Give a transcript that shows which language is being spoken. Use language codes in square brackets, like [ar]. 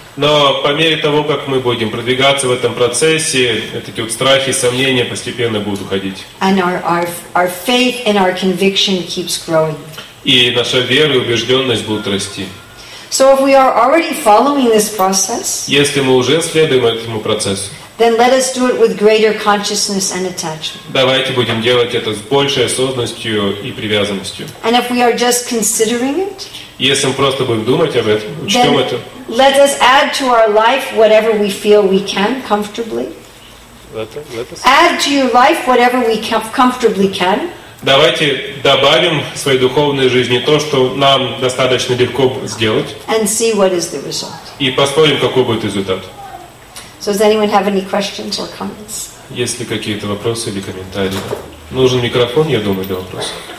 [ru] Но по мере того, как мы будем продвигаться в этом процессе, эти вот страхи и сомнения постепенно будут уходить. [en] And our faith and our conviction keeps growing. [ru] И наша вера и убежденность будут расти. [en] So if we are already following this process, [ru] если мы уже следуем этому процессу, [en] then let us do it with greater consciousness and attachment. [ru] Давайте будем делать это с большей осознанностью и привязанностью. [en] And if we are just considering it, [ru] если мы просто будем думать об этом, учтем это, [en] let us add to our life whatever we feel we can comfortably. Add to your life whatever we comfortably can. [ru] Давайте добавим в своей духовной жизни то, что нам достаточно легко сделать. [en] And see what is the result. [ru] И посмотрим, какой будет результат. [en] So does anyone have any questions or comments? [ru] Есть ли какие-то вопросы или комментарии? Нужен микрофон, я думаю, для вопросов.